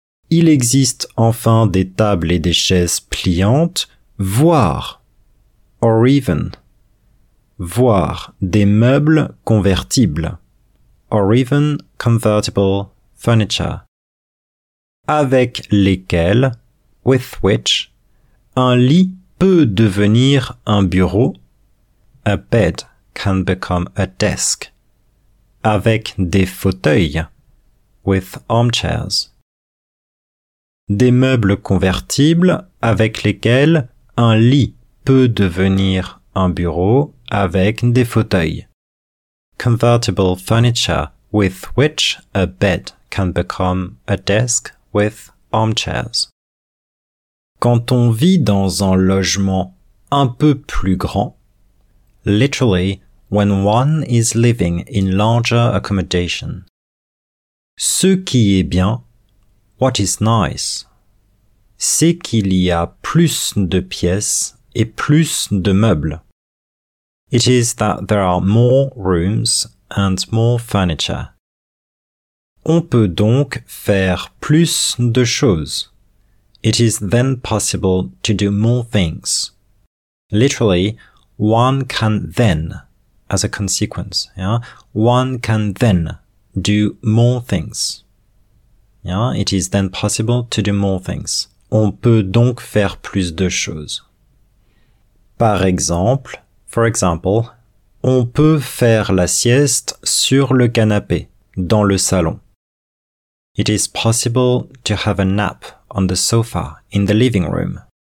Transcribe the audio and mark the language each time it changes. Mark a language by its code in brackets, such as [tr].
[fr] Il existe enfin des tables et des chaises pliantes, voire, [en] or even, [fr] voire des meubles convertibles. [en] Or even convertible furniture. [fr] Avec lesquels, [en] with which, [fr] un lit peut devenir un bureau, [en] a bed can become a desk. [fr] Avec des fauteuils, [en] with armchairs. [fr] Des meubles convertibles avec lesquels un lit peut devenir un bureau avec des fauteuils. [en] Convertible furniture with which a bed can become a desk with armchairs. [fr] Quand on vit dans un logement un peu plus grand, [en] literally, when one is living in larger accommodation. [fr] Ce qui est bien, [en] what is nice, [fr] c'est qu'il y a plus de pièces et plus de meubles. [en] It is that there are more rooms and more furniture. [fr] On peut donc faire plus de choses. [en] It is then possible to do more things. Literally, one can then, as a consequence, yeah, one can then do more things. Yeah, it is then possible to do more things. [fr] On peut donc faire plus de choses. Par exemple, [en] for example, [fr] on peut faire la sieste sur le canapé, dans le salon. [en] It is possible to have a nap on the sofa in the living room.